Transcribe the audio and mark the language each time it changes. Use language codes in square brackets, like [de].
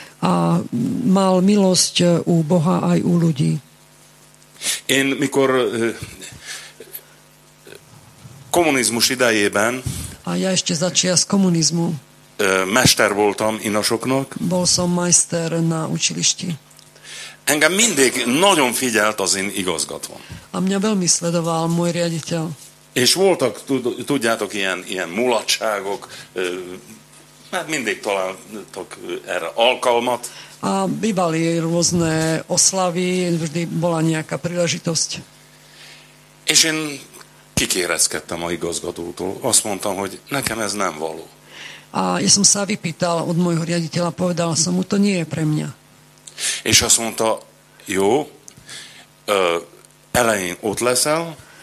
[sk] A mal milosť u Boha aj u ľudí. [hu] Én mikor kommunizmus idejében. [sk] A ja ešte začias komunizmu. [hu] Mester voltam inasoknak. [sk] Bol som majster na učilišti. [hu] Engem mindig nagyon figyelt az én igazgatvom. [sk] A mňa veľmi sledoval môj riaditeľ. [hu] És voltak, tudjátok, ilyen mulatságok, mert mindig találtak erre alkalmat. [sk] A bývali rôzne oslavy, vždy bola nejaká príležitosť. [hu] És én kikérezkedtem a igazgatótól. Azt mondtam, hogy nekem ez nem való. [sk] A ja som sa vypýtal od môjho riaditeľa, povedal som mu, to nie je pre mňa. [hu] És azt mondta, jó, elején ott leszel.